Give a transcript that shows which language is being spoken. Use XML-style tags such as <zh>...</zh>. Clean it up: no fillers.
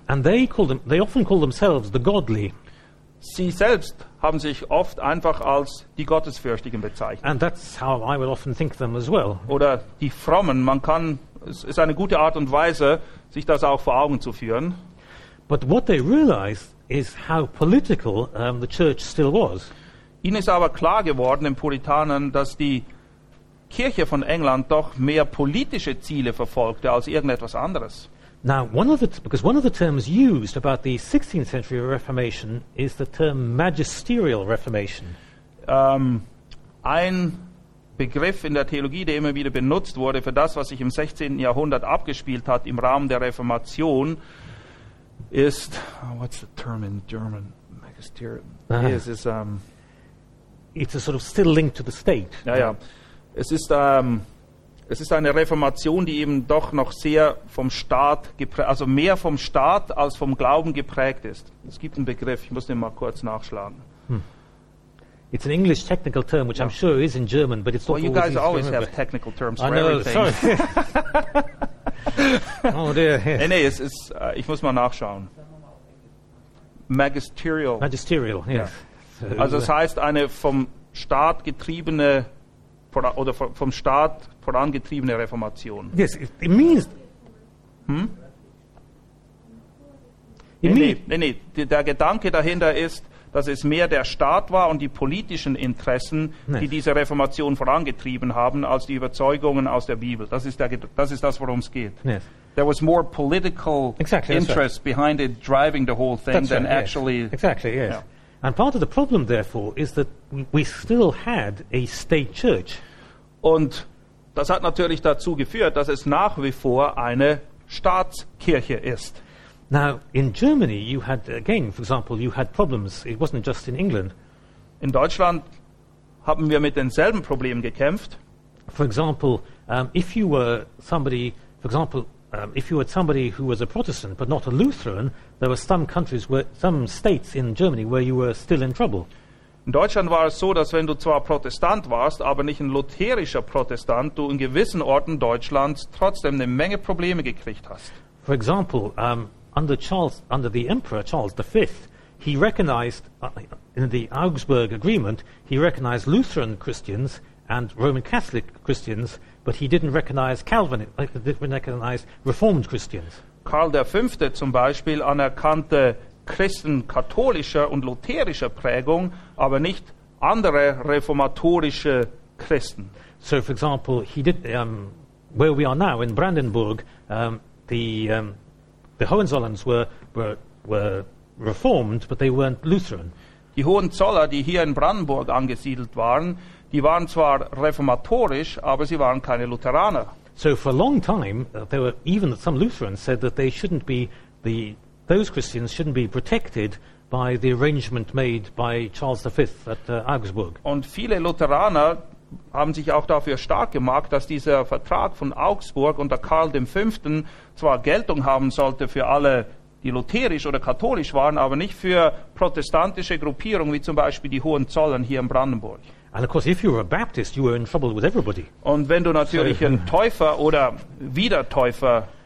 <en>And they often call themselves the godly.</en> <de>Sie selbst haben sich oft einfach als die Gottesfürchtigen bezeichnet.</de> <en>And that's how I will often think them as well.</en> <de>Oder die Frommen, es ist eine gute Art und Weise, sich das auch vor Augen zu führen.</de> <en>But what they realized is how political the church still was.</en> <de>Ihnen ist aber klar geworden, den Puritanern, dass die Kirche von England doch mehr politische Ziele verfolgte als irgendetwas anderes.</de> <en>Now, one of the terms used about the 16th century Reformation is the term magisterial Reformation.</en> <de>Ein Begriff in der Theologie, der immer wieder benutzt wurde für das, was sich im 16. Jahrhundert abgespielt hat im Rahmen der Reformation, ist,</de> <en>what's the term in German?</en> <de>Magisterium. Uh-huh.</de> <en>It's a sort of still linked to the state.</en> <de>Ja. Es ist eine Reformation, die eben doch noch sehr vom Staat geprägt, also mehr vom Staat als vom Glauben geprägt ist. Es gibt einen Begriff, ich muss den mal kurz nachschlagen. Hmm.</de> <en>It's an English technical term, which yeah. I'm sure is in German, but it's not always. Well, you guys always have technical terms for everything. Sorry. Oh dear, yes.</en> <de>Nee, es ist, ich muss mal nachschauen.</de> <en>Magisterial. Magisterial, yes. Yeah.</en> <de>So, also es heißt eine vom Staat getriebene oder vom Staat vorangetriebene Reformation.</de> <en>Yes, it means.</en> <de>Nee, der Gedanke dahinter ist, dass es mehr der Staat war und die politischen Interessen, die diese Reformation vorangetrieben haben, als die Überzeugungen aus der Bibel. Das ist das, worum es geht.</de> <en>Yes. There was more political interest behind it driving the whole thing actually. Exactly, yes. Yeah. And part of the problem, therefore, is that we still had a state church.</en> <de>Und das hat natürlich dazu geführt, dass es nach wie vor eine Staatskirche ist.</de> <en>Now, in Germany, you had, again, for example, you had problems. It wasn't just in England.</en> <de>In Deutschland haben wir mit denselben Problemen gekämpft.</de> <en>For example, if you were somebody who was a Protestant but not a Lutheran, there were some countries, some states in Germany where you were still in trouble.</en> <de>In Deutschland war es so, dass wenn du zwar Protestant warst, aber nicht ein lutherischer Protestant, du in gewissen Orten Deutschlands trotzdem eine Menge Probleme gekriegt hast.</de> <en>For example, under the Emperor Charles V, he recognized in the Augsburg Agreement, he recognized Lutheran Christians and Roman Catholic Christians, but he didn't recognize Calvinist, didn't recognize Reformed Christians.</en> <de>Karl V. zum Beispiel anerkannte Christen katholischer und lutherischer Prägung, aber nicht andere reformatorische Christen.</de> <en>So, for example, he did where we are now in Brandenburg, the Hohenzollerns were reformed, but they weren't Lutheran.</en> <de>Die Hohenzoller, die hier in Brandenburg angesiedelt waren, die waren zwar reformatorisch, aber sie waren keine Lutheraner.</de> <en>So for a long time, there were even some Lutherans said that they shouldn't be those Christians shouldn't be protected by the arrangement made by Charles V at Augsburg.</en> <de>Und viele Lutheraner haben sich auch dafür stark gemacht, dass dieser Vertrag von Augsburg unter Karl dem V. zwar Geltung haben sollte für alle, die lutherisch oder katholisch waren, aber nicht für protestantische Gruppierungen wie zum Beispiel die Hohenzollern hier in Brandenburg.</de> <en>And of course, if you were a Baptist, you were in trouble with everybody.</en> <de>Und wenn du natürlich ein Täufer oder Wiedertäufer,</de>